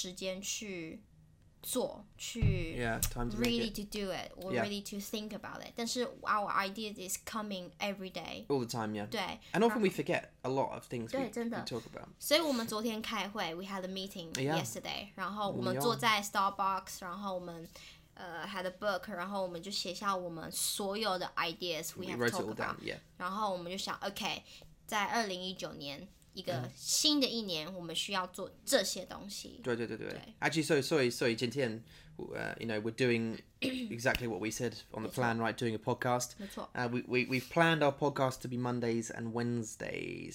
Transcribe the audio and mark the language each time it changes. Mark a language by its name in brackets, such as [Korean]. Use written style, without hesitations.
[Chinese] 对，因为我们的想法是一直出来，但是我们没有时间去做，去 [English] time to really make it. To do it or really to think about it. 但是 our idea is coming every day, all the time. Yeah. [Chinese] 对, [English] and often we forget a lot of things. [Chinese] 对，真的 talk about. 所以我们昨天开会, we had a meeting yesterday. 然后我们坐在 Starbucks, 然后我们 had a book, 然后我们就写下我们所有的 ideas we have talked about. [English] Yeah. [Chinese] 然后我们就想, okay. 在2019年一个新的一年，我们需要做这些东西。对对对对。 [English] Actually, so sorry, 今天 you know, we're doing exactly what we said on the plan, right? Doing a podcast. [Chinese] 没错。 [English] We've planned our podcast to be Mondays and Wednesdays.